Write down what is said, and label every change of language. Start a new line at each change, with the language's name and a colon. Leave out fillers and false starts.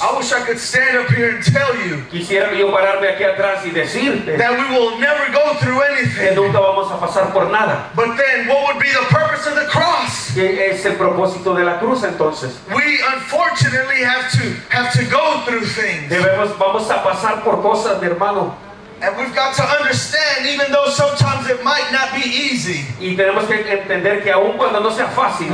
English: I wish I could stand up here and tell you
Spanish: quisiera yo pararme aquí atrás y decirte
English: that we will never go through anything.
Spanish: Que nunca vamos a pasar por nada.
English: But then, what would be the purpose of the cross?
Spanish: ¿Qué es el propósito de la cruz entonces?
English: We unfortunately have to go through things.
Spanish: Debemos, vamos a pasar por cosas, mi hermano.
English: And we've got to understand, even though sometimes it might not be easy.
Spanish: Y tenemos que entender que aun cuando no sea fácil,